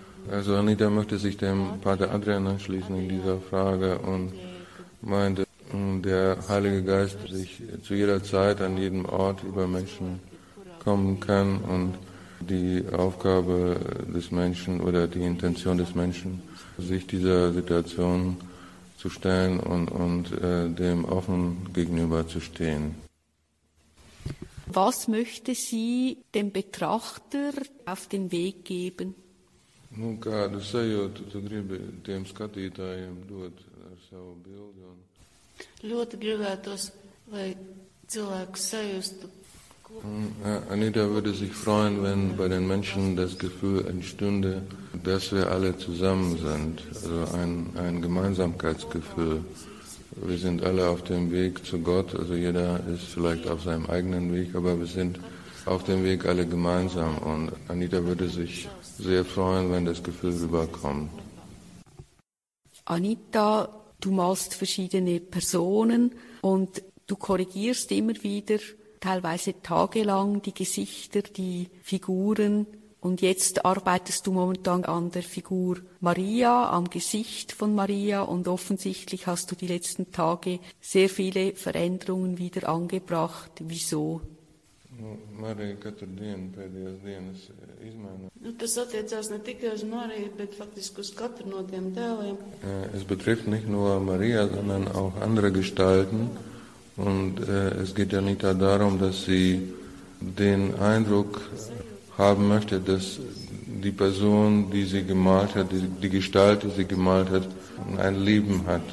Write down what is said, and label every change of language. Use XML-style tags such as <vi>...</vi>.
<de>Also Anita möchte sich dem Pater Adrian anschließen in dieser Frage und meinte, der Heilige Geist sich zu jeder Zeit an jedem Ort über Menschen kommen kann und die Aufgabe des Menschen oder die Intention des Menschen, sich dieser Situation zu stellen und dem offen gegenüber zu stehen. Was möchte sie dem Betrachter auf den Weg geben?</de> <lv>Nun, kādu sajūtu tu gribi tiem skatītājiem dot ar savu bildi un... Ļoti gribētos, lai cilvēku sajustu.</lv> <de>Anita würde sich freuen, wenn bei den Menschen das Gefühl entstünde, dass wir alle zusammen sind, also ein Gemeinsamkeitsgefühl. Wir sind alle auf dem Weg zu Gott, also jeder ist vielleicht auf seinem eigenen Weg, aber wir sind auf dem Weg alle gemeinsam. Und Anita würde sich sehr freuen, wenn das Gefühl rüberkommt. Anita, du malst verschiedene Personen und du korrigierst immer wieder, teilweise tagelang, die Gesichter, die Figuren. Und jetzt arbeitest du momentan an der Figur Maria, am Gesicht von Maria. Und offensichtlich hast du die letzten Tage sehr viele Veränderungen wieder angebracht. Wieso?</de> <lv>Marija katru dienu pēdējās dienas izmaina. Nu, tas attiecās ne tikai uz Mariju, bet faktiski uz katru no tiem tēliem.</lv> <de>Es betrifft nicht nur Maria, sondern auch andere Gestalten. Und es geht ja nicht darum, dass sie den Eindruck haben möchte, dass die Person, die sie gemalt hat, die Gestalt, die sie gemalt hat, ein Leben hat.</de>